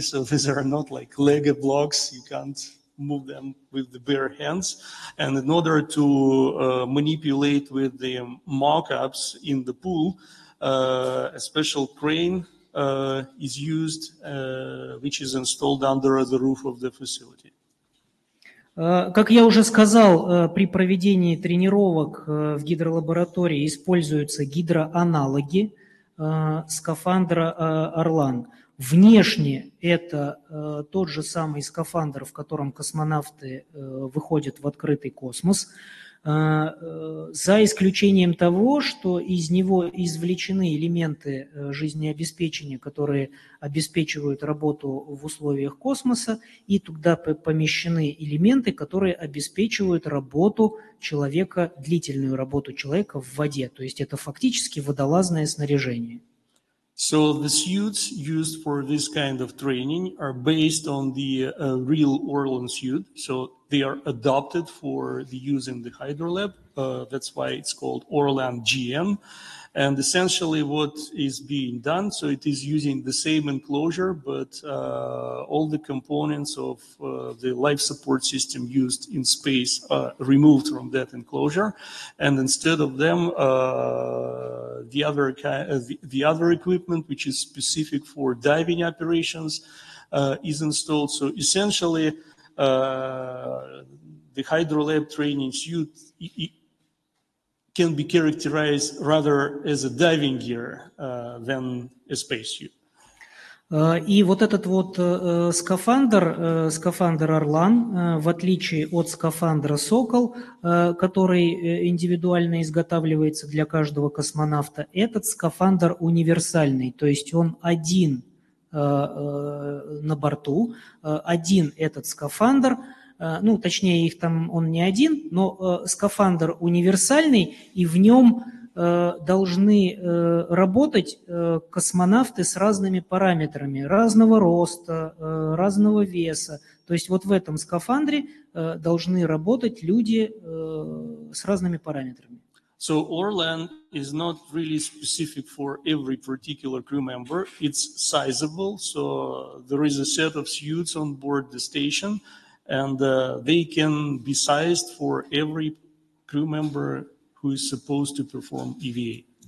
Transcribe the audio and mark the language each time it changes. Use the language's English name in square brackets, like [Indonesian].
[English] So these are not like Lego blocks. You can't move them with the bare hands. And in order to manipulate with the mock-ups in the pool, a special crane is used, which is installed under the roof of the facility. [Russian] Как я уже сказал, при проведении тренировок в гидролаборатории используются гидроаналоги скафандра «Орлан». Внешне это тот же самый скафандр, в котором космонавты выходят в открытый космос, за исключением того, что из него извлечены элементы жизнеобеспечения, которые обеспечивают работу в условиях космоса, и туда помещены элементы, которые обеспечивают работу человека, длительную работу человека в воде. То есть это фактически водолазное снаряжение. [English] So the suits used for this kind of training are based on the real Orlan suit. So they are adapted for the use in the hydrolab. That's why it's called Orlan GM. And essentially what is being done, so it is using the same enclosure, but all the components of the life support system used in space are removed from that enclosure. And instead of them, the other equipment, which is specific for diving operations, is installed. So essentially, the hydrolab training suit can be characterized rather as a diving gear than a spacesuit. [Russian] И вот этот вот скафандр, скафандр Орлан, в отличие от скафандра Сокол, который индивидуально изготавливается для каждого космонавта, этот скафандр универсальный, то есть он один на борту, один этот скафандр. Ну, точнее, их там он не один, но скафандр универсальный, и в нем должны работать космонавты с разными параметрами, разного роста, разного веса. То есть вот в этом скафандре должны работать люди с разными параметрами. [English] So Orlan is not really specific for every particular crew member. It's sizable, so there is a set of suits on board the station, and they can be sized for every crew member who is supposed to perform EVA.